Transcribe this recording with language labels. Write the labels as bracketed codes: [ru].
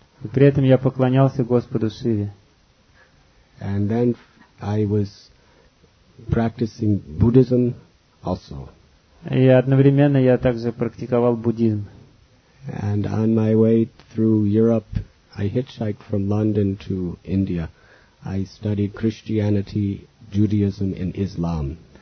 [ru] И при этом я поклонялся Господу Шиве. [en] And then I was practicing Buddhism also. [ru] И одновременно я также практиковал буддизм. [en] And on my way through Europe, I hitchhiked from London to India. I studied Christianity, Judaism, and Islam.